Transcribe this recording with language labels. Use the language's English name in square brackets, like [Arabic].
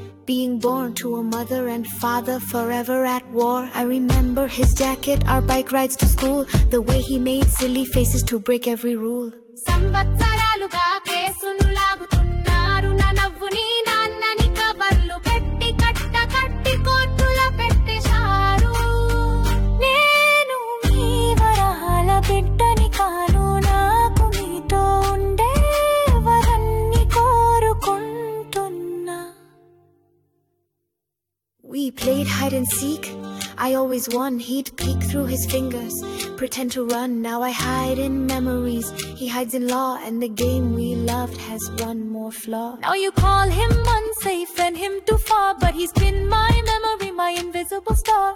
[English] Being born to a mother and father forever at war. I remember his jacket, our bike rides to school, the way he made silly faces to break every rule. [Telugu] సంవత్సరాలుగా కేసును లాగుతున్నారు నా నవ్వుని నాన్నని కబర్లు పెట్టి కట్ట కట్టి కోర్టుల పెట్టేశారు. నేను మీ వరాల బిడ్డని కాను, నాకు మీతో ఉండే వరన్ని కోరుకుంటున్నా. [English] We played hide and seek. I always won, he'd peek through his fingers, pretend to run. Now I hide in memories, he hides in law, and the game we loved has one more flaw. Now you call him unsafe and him too far, but he's been my memory, my invisible star.